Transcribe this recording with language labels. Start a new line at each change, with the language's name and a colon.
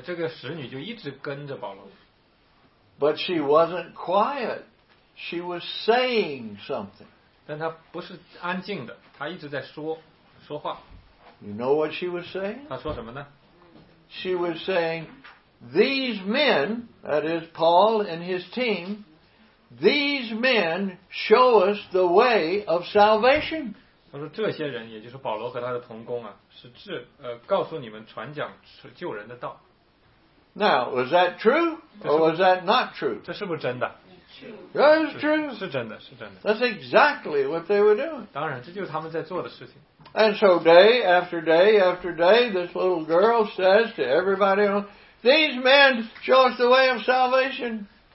Chinese: 这之后呢,圣经说呢,一天又一天呢,这个使女就一直跟着保罗。
English: But she wasn't quiet. She was saying something.
Chinese: 但她不是安静的,她一直在说话。
English: You know what she was saying?
Chinese: 她说什么呢?
English: She was saying, these men, that is Paul and his team, these men show us the way of salvation.
Chinese: 她说这些人, 也就是保罗和他的同工啊, 是智, 告诉你们传讲救人的道。
English: Now, was that true? Or was that not true?
Chinese: 这是不是真的?
English: True. That is true.
Chinese: 是真的, 是真的。
English: That's exactly what they were doing.
Chinese: 当然, 这就是他们在做的事情。
English: And so day after day after day, this little girl says to everybody, these men show us the way of salvation.